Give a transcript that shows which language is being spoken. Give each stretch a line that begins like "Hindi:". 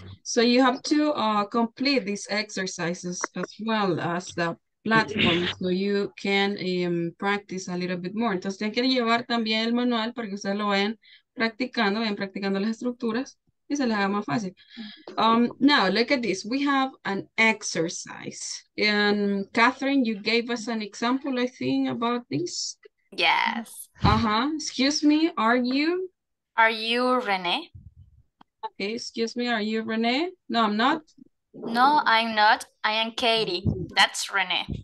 English: So you have to complete these exercises as well as the platform so you can practice a little bit more.
Spanish: Entonces tienen que llevar también el manual para que ustedes lo vayan practicando las estructuras y se les haga más fácil.
English: Now, look at this. We have an exercise. And Catherine, you gave us an example, I think, about this. Yes. Uh-huh. Excuse me, are you? Are you Rene? Okay, excuse me, are you Rene? No, I'm not. No, I'm not. I am Katie. That's Rene.